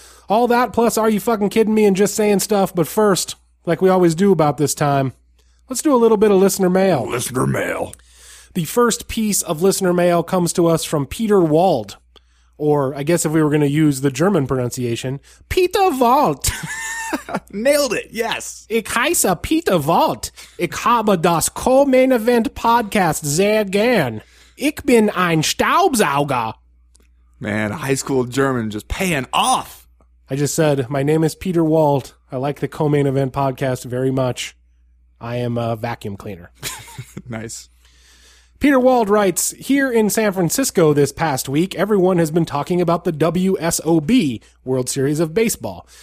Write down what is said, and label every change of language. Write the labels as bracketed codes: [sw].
[en] All that plus Are You Fucking Kidding Me and Just Saying Stuff, but first, like we always do about this time, let's do a little bit of listener mail. Listener mail. The first piece of listener mail comes to us from Peter Wald, or I guess if we were going to use the German pronunciation, Peter Wald. Nailed it. Yes. [de] Ich heiße Peter Wald. Ich habe das Co-Main Event Podcast sehr gern. Ich bin ein Staubsauger. [en] Man, high school German just paying off. I just said, my name is Peter Wald. I like the Co-Main Event Podcast very much. I am a vacuum cleaner. Nice. Peter Wald writes, here in San Francisco this past week, everyone has been talking about the WSOB, World Series of Baseball.